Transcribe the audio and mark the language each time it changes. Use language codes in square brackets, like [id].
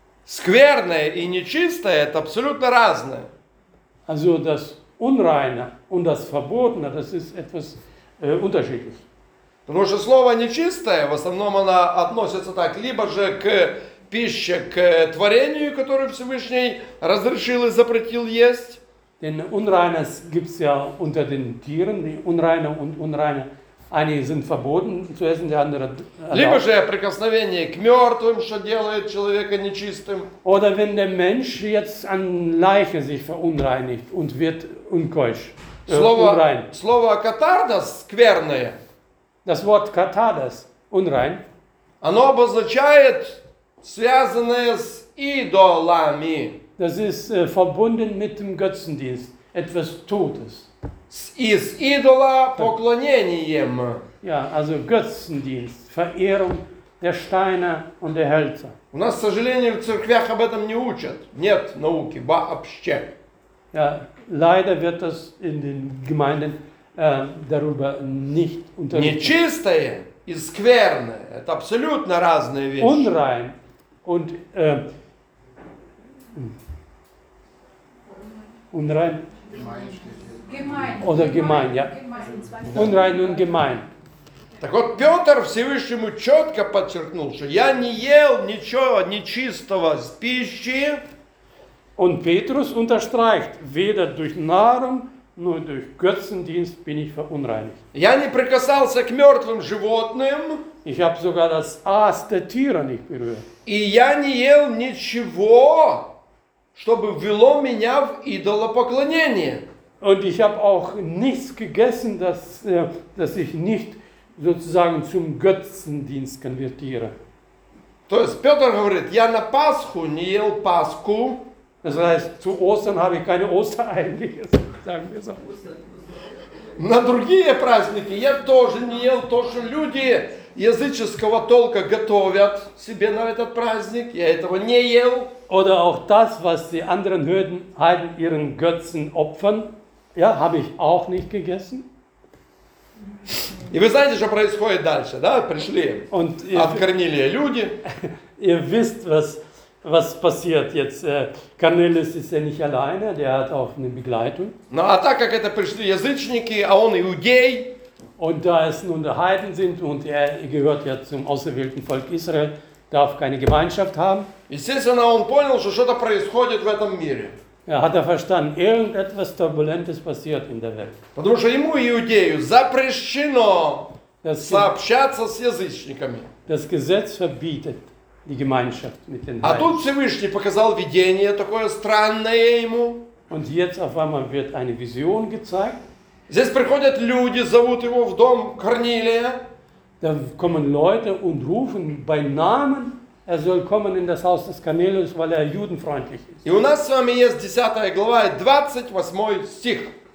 [ru] Скверное и нечистое – это абсолютно разное. [de] Also das Unreine und das Verbotene – das ist etwas unterschiedlich. [ru] Потому что слово «нечистое» в основном оно относится так, либо же к пище, к творению, которое Всевышний разрешил и запретил есть. [de] Denn unreines gibt's ja unter den Tieren, die unreine und unreine. [ru] Они [de] sind verboten zu essen, die andere. [ru] Либо же прикосновение к мертвым, что делает человека нечистым. [de] Oder wenn der Mensch jetzt an Leiche sich verunreinigt und wird unkeusch. [ru] Слово «катардос» – скверное. [de] Das Wort katadas, unrein. [ru] Оно обозначает связанное с идолами. [de] Das ist verbunden mit dem Götzendienst, etwas Totes. [ru] С идола поклонением. [de] Ja, also Götzendienst, Verehrung der Steine und der Hölzer. [ru] У нас, к сожалению, в церквях об этом не учат. Нет науки вообще. [de] Ja, leider wird das in den Gemeinden darüber nicht unterrichtet. [ru] Нечистое и скверное – это абсолютно разные вещи. [de] Unrein und unrein oder gemein, ja. Unrein und gemein. [ru] Так вот, Петр Всевышнему четко подчеркнул, что я не ел ничего нечистого с пищи. [de] Und Petrus unterstreicht, weder durch Nahrung noch durch Götzendienst bin ich verunreinigt. [ru] Я не прикасался к мертвым животным. [de] Ich habe sogar das Aas der Tiere nicht berührt. [ru] И я не ел ничего, чтобы ввело меня в идолопоклонение. [de] Und ich habe auch nichts gegessen, dass ich nicht sozusagen zum Götzendienst konvertiere. [ru] То есть Петр говорит, я на Пасху не ел Пасху. [de] Das heißt, zu Ostern habe ich keine Ostereier gegessen, sagen wir so. [ru] На другие праздники я тоже не ел то, что люди языческого толка готовят себе на этот праздник. Я этого не ел. [de] Oder auch das, was die anderen Heiden ihren Götzen opfern, ja, habe ich auch nicht gegessen. [ru] И вы знаете, что происходит дальше, да? Пришли [de] Und [ru] от Корнилия люди. [de] Ihr wisst, was passiert jetzt. Cornelius ist ja nicht alleine, der hat auch eine Begleitung. [ru] Ну, а так как это пришли язычники, а он иудей. [de] Und da es nun die Heiden sind und er gehört ja zum auserwählten Volk Israel, darf keine Gemeinschaft haben. [ru] Естественно, он понял, что что-то происходит в этом мире. [de] Hat er verstanden, irgendetwas Turbulentes passiert in der Welt. [ru] Потому что ему, иудею, запрещено сообщаться с язычниками. [de] Das Gesetz verbietet die Gemeinschaft mit den Heiden. [ru] А тут Всевышний показал видение такое странное ему. [de] Und jetzt auf einmal wird eine Vision gezeigt. [ru] Здесь приходят люди, зовут его в дом Корнилия. [de] Da kommen Leute und rufen bei Namen. Er soll kommen in das Haus des Cornelius, weil er judenfreundlich ist. [ru] И у нас с вами есть 10 глава, 28 стих.